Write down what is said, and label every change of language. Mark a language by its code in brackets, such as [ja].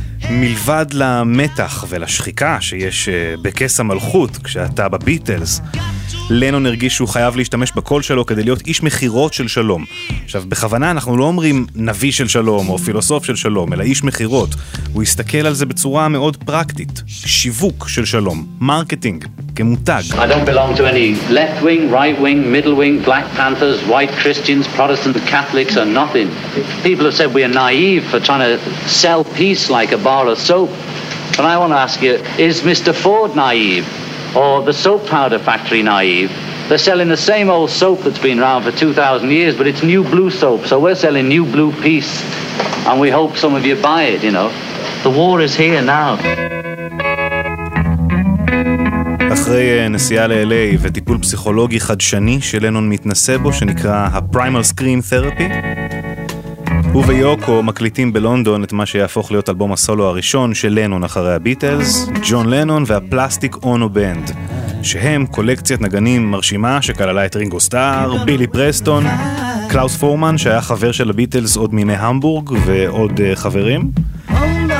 [he] מלבד למתח ולשחיקה שיש בכס המלכות כשאתה בביטלס, לנון הרגיש שהוא חייב להשתמש בקול שלו כדי להיות איש מחירות של שלום. עכשיו, בכוונה אנחנו לא אומרים נביא של שלום או פילוסוף של שלום, אלא איש מחירות. הוא הסתכל על זה בצורה מאוד פרקטית. שיווק של שלום. מרקטינג. כמותג. [en] I don't belong to any left-wing, right-wing, middle-wing, black panthers, white Christians, Protestant Catholics or nothing. People have said we are naive for trying to sell peace like a bar of soap. But I want to ask you, is Mr. Ford naive? Or the soap powder factory naive. They're selling the same old soap that's been around for 2,000 years, but it's new blue soap, so we're selling new blue peace. And we hope some of you buy it, you know. The war is here now. [he] אחרי נסיעה ל-LA וטיפול פסיכולוגי חדשני שלנון מתנסה בו, שנקרא ה-Primal Scream Therapy, הוא ויוקו מקליטים בלונדון את מה שיהפוך להיות אלבום הסולו הראשון של לנון אחרי הביטלס, ג'ון לנון והפלסטיק אונו בנד, שהם קולקציית נגנים מרשימה שכללה את רינגו סטאר, בילי פרסטון, קלאוס פורמן שהיה חבר של הביטלס עוד מימי המבורג ועוד חברים. [en] Oh, no.